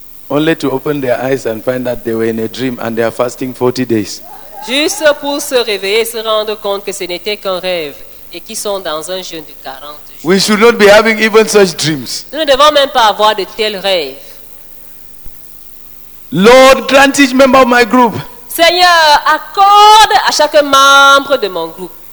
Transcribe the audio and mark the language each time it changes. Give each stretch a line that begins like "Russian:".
English: Only to open their eyes and find that they were in a dream and they are fasting 40 days.
French: Juste pour se réveiller, se rendre compte que ce n'était qu'un rêve. Et qui sont dans un jeûne de 40 jours.
English: We should not be having even such dreams.
French: Nous ne devons même pas avoir de tels rêves.
English: Lord, grant each member of my group.
French: Seigneur, accorde à chaque membre de mon groupe.